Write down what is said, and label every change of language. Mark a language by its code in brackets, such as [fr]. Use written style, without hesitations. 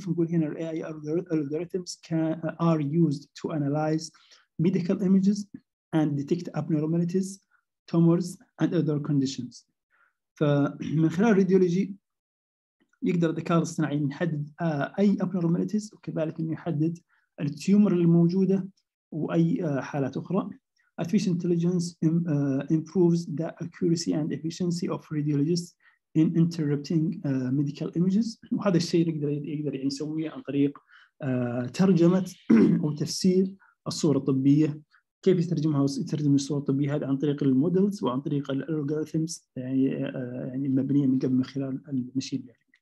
[ar] فنقول هنا الـ [en] AI algorithms are used to analyze medical images and detect abnormalities, tumors and other conditions. [ar] فمن خلال الراديولوجي يقدر الذكاء الاصطناعي يحدد اي abnormalities، وكذلك انه يحدد التيومر الموجوده واي حالات اخرى. [en] Artificial intelligence improves the accuracy and efficiency of radiologists in interpreting medical images. [ar] وهذا الشيء يقدر يعني يسويه عن طريق ترجمه او تفسير الصوره الطبيه. كيف يترجمها؟ يترجم الصوره الطبيه هذه عن طريق المودلز وعن طريق الالجوريثمز يعني المبنيه من قبل من خلال المشين ليرنينج.